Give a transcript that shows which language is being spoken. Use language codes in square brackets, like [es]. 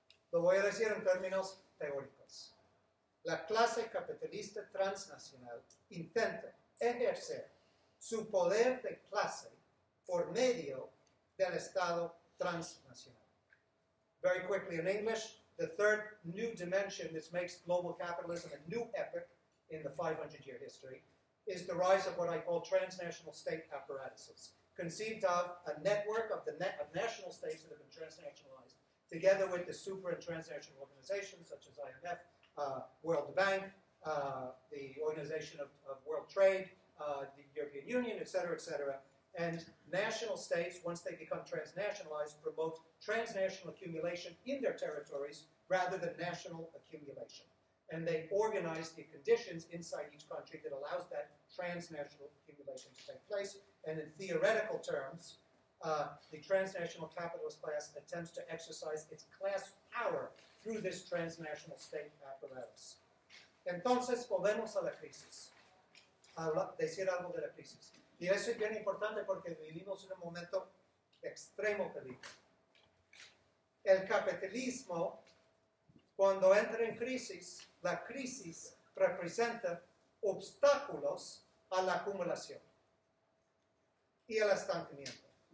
[es] Lo voy a decir en términos teóricos. La clase capitalista transnacional intenta ejercer su poder de clase por medio del Estado transnacional. [en] Very quickly in English, the third new dimension that makes global capitalism a new epoch in the 500-year history is the rise of what I call transnational state apparatuses, conceived of a network of of national states that have been transnationalized, together with the super and transnational organizations such as IMF, World Bank, the Organization of World Trade, the European Union, et cetera, et cetera. And national states, once they become transnationalized, promote transnational accumulation in their territories rather than national accumulation. And they organize the conditions inside each country that allows that transnational accumulation to take place. And in theoretical terms, the transnational capitalist class attempts to exercise its class power through this transnational state apparatus. [es] Entonces, volvemos a la crisis. Decir algo de la crisis. Y eso es bien importante porque vivimos en un momento extremo peligro. El capitalismo, cuando entra en crisis, la crisis representa obstáculos a la acumulación y al estancamiento.